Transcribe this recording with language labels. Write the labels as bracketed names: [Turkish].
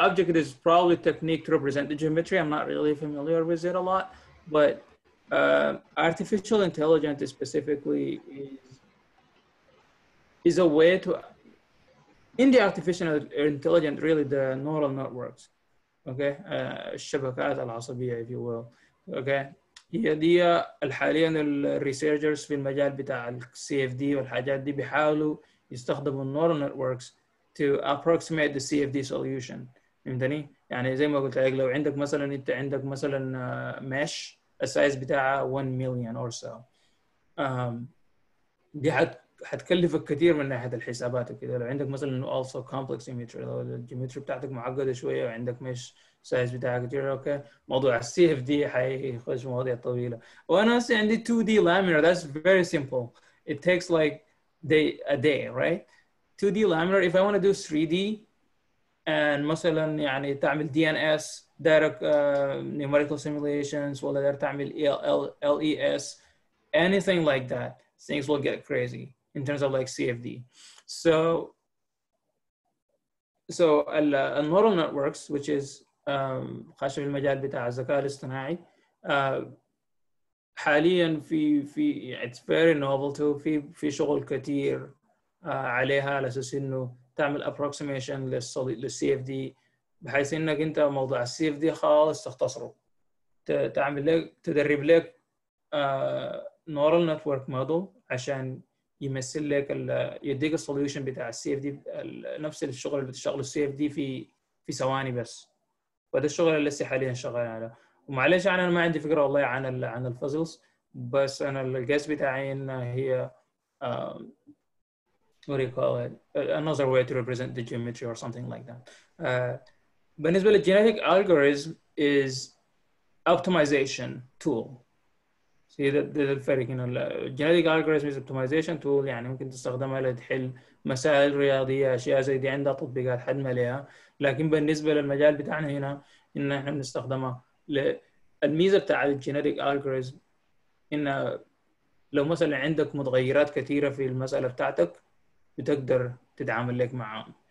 [English] object is probably a technique to represent the geometry. I'm not really familiar with it a lot, but artificial intelligence specifically is a way to, in the artificial intelligence, really the neural networks, okay? [Arabic] الشبكات العصبية, [English] if you will, okay? [Arabic] هي دي حالياً الريسيرجرز في المجال بتاع CFD والحاجات دي بيحاولوا يستخدموا النورال نتوركس [English] to approximate the CFD solution. [Arabic] فهمتني؟ يعني زي ما قلت لك لو عندك مثلا انت عندك مثلا mesh السايز بتاعها 1 مليون or so. دي حتكلفك كثير من ناحيه الحسابات وكذا. لو عندك مثلا [English] also complex geometry, [Arabic] لو الجيومتري بتاعتك معقده شويه وعندك mesh سايز بتاعها كثير, اوكي موضوع CFD حيخش مواضيع طويله. وانا عندي [English] 2D laminar, that's very simple. It takes like a day, right? 2D laminar, if I want to do 3D and [Arabic] مثلا يعني تعمل [English] DNS direct numerical simulations [Arabic] ولا تعمل [English] LES anything like that, things will get crazy. in terms of like CFD. So neural networks, which is [Arabic] خاشة في المجال بتاع الذكاء الاصطناعي, حالياً في [English] it's very novel too. [Arabic] في شغل كتير عليها على أساس إنه تعمل approximation للـ CFD, بحيث إنك أنت موضوع CFD خالص تختصره, تعمل لك تدرب لك neural network model عشان يمثل لك يديك solution بتاع CFD, نفس الشغل اللي بتشغل CFD في ثواني بس. وده الشغل اللي لسه حالياً شغال عليه. ومعليش أنا ما عندي فكرة والله عن الفازلز, بس أنا القياس بتاعي إنه هي [English] what do you call it, another way to represent the geometry or something like that. [Arabic] بالنسبة [English] للgenetic algorithm is optimization tool. See that [Arabic] الفرق, [English] you know, genetic algorithm is optimization tool, [Arabic] يعني ممكن تستخدمها لتحل مسائل رياضية أشياء زي دي, عندها تطبيقات حد ما لها. لكن بالنسبة للمجال بتاعنا هنا إن إحنا بنستخدمها الميزة بتاع الجينيتيك ألغوريزم, إن لو مثلا عندك متغيرات كثيرة في المسألة بتاعتك بتقدر تتعامل لك معهم.